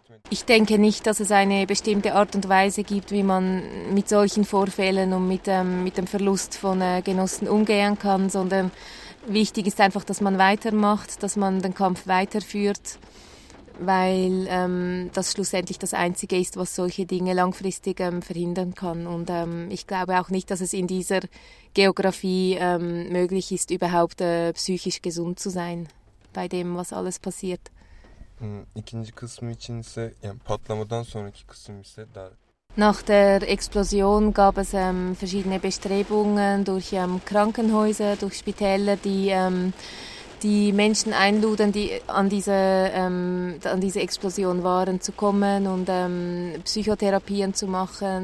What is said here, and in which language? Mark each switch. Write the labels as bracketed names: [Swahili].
[German] Ich denke nicht, dass es eine bestimmte Art und Weise gibt, wie man mit solchen Vorfällen und mit dem Verlust von Genossen umgehen kann, sondern wichtig ist einfach, dass man weitermacht, dass man den Kampf weiterführt, weil das schlussendlich das Einzige ist, was solche Dinge langfristig verhindern kann. Und ich glaube auch nicht, dass es in dieser Geografie möglich ist, überhaupt psychisch gesund zu sein bei dem, was alles passiert. [Turkish] İkinci kısmı için ise yani patlamadan sonraki kısım ise daha... [German] Nach der Explosion gab es verschiedene Bestrebungen durch Krankenhäuser, durch Spitäler, die die Menschen einluden, die an diese Explosion waren, zu kommen und Psychotherapien zu machen.